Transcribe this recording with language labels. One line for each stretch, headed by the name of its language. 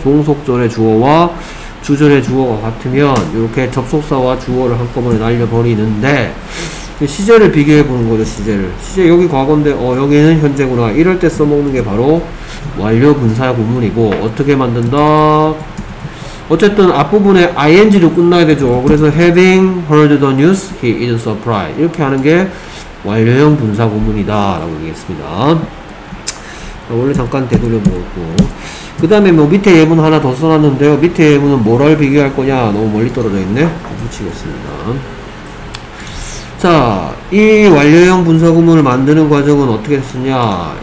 Korean: 종속절의 주어와 주절의 주어가 같으면 이렇게 접속사와 주어를 한꺼번에 날려버리는데, 시제를 비교해 보는 거죠. 시제를. 시제 여기 과거인데 여기는 현재구나. 이럴 때 써먹는 게 바로 완료 분사구문이고, 어떻게 만든다? 어쨌든 앞부분에 ing로 끝나야 되죠. 그래서
English: having heard the news, he isn't surprised.
Korean: 이렇게 하는 게 완료형 분사구문이다 라고 얘기했습니다. 원래 잠깐 되돌려 보고, 그 다음에 뭐 밑에 예문 하나 더 써놨는데요. 밑에 예문은 뭐를 비교할 거냐. 너무 멀리 떨어져 있네. 붙이겠습니다. 자, 이 완료형 분사구문을 만드는 과정은 어떻게 했었냐.